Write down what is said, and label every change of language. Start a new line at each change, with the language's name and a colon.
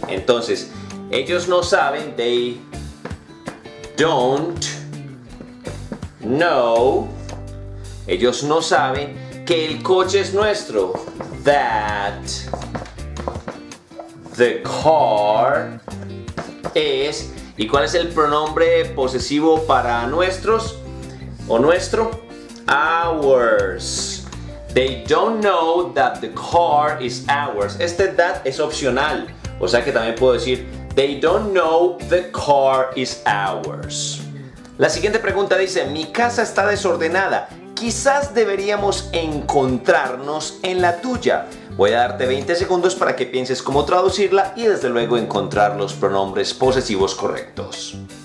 Spanish: Entonces, ellos no saben,
English: they don't know,
Spanish: ellos no saben que el coche es nuestro.
English: That the car is.
Spanish: ¿Y cuál es el pronombre posesivo para nuestros? ¿O nuestro? Ours.
English: They don't know that the car is ours.
Spanish: Este that es opcional. O sea que también puedo decir,
English: they don't know the car is ours.
Spanish: La siguiente pregunta dice, mi casa está desordenada. Quizás deberíamos encontrarnos en la tuya. Voy a darte 20 segundos para que pienses cómo traducirla y desde luego encontrar los pronombres posesivos correctos.